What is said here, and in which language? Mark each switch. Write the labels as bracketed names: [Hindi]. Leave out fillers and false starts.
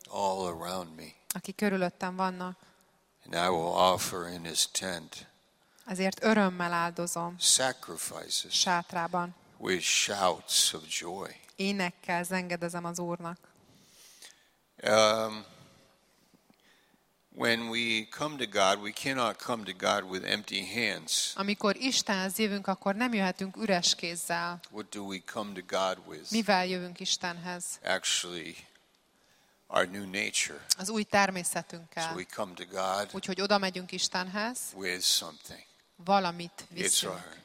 [English] All around me. [Hungarian] Akik körülöttem vannak. [English] And I will offer in his tent. [Hungarian] Ezért örömmel áldozom. [English] Sacrifices. [Hungarian] Sátrában. [English] With shouts of joy. [Hungarian] Énekkel zengedezem az Úrnak. [English] When we come to God, we cannot come to God with empty hands. [Hungarian] Amikor Istenhez jövünk, akkor nem jöhetünk üres kézzel. [English] What do we come to God with? [Hungarian] Mivel jövünk Istenhez? [English] Actually, our new nature. [Hungarian] Az új természetünkkel. [English] So we come to God. [Hungarian] Úgyhogy oda megyünk Istenhez. [English] With something. [Hungarian] Valamit viszünk.